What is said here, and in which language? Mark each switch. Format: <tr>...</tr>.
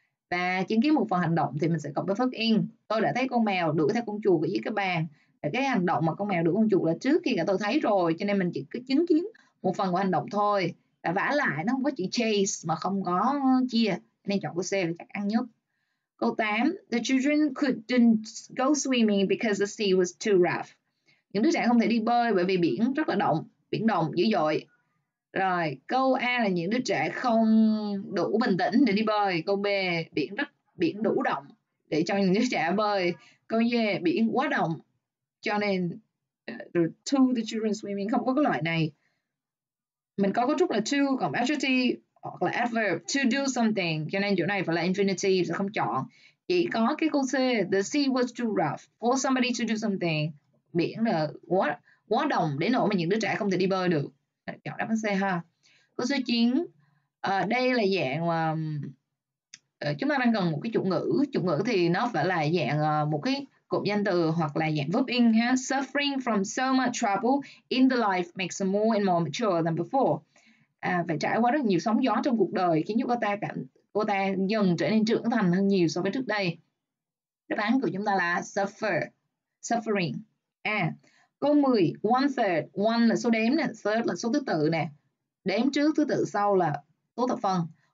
<vi>Và chứng kiến một phần hành động thì mình sẽ cộng với phát in. Tôi đã thấy con mèo đuổi theo con chuột ở dưới cái bàn. Và cái hành động mà con mèo đuổi con chuột là trước khi cả tôi thấy rồi, cho nên mình chỉ cứ chứng kiến một phần của hành động thôi. Và vả lại nó không có chữ chase mà không có chia, nên chọn câu C là chắc ăn nhất. Câu 8,</vi> <en>the children couldn't go swimming because the sea was too rough.</en> <vi>Những đứa trẻ không thể đi bơi bởi vì biển rất là động, biển động dữ dội. Rồi, câu A là những đứa trẻ không đủ bình tĩnh để đi bơi. Câu B, biển rất biển đủ động để cho những đứa trẻ bơi. Câu D, biển quá động cho nên</vi> <en>to the children swimming,</en> <vi>không có cái loại này. Mình có cấu trúc là to cộng adjective hoặc là adverb to do something, cho nên chỗ này phải là infinitive, sẽ không chọn. Chỉ có cái câu C,</vi> <en>the sea was too rough for somebody to do something.</en> <vi>Biển là quá động để nỗi mà những đứa trẻ không thể đi bơi được. Chọn đáp án C ha. Câu số 9, đây là dạng mà chúng ta đang cần một cái chủ ngữ. Chủ ngữ thì nó phải là dạng một cái cụm danh từ hoặc là dạng verb in ha.</vi> <en>Suffering from so much trouble in the life makes them more and more mature than before.</en> <vi>Phải trải qua rất nhiều sóng gió trong cuộc đời khiến cho cô ta dần trở nên trưởng thành hơn nhiều so với trước đây. Đáp án của chúng ta là suffering. A. Câu 10, one third, one là số đếm nè, third là số thứ tự nè, đếm trước thứ tự sau là số thập phần.</vi>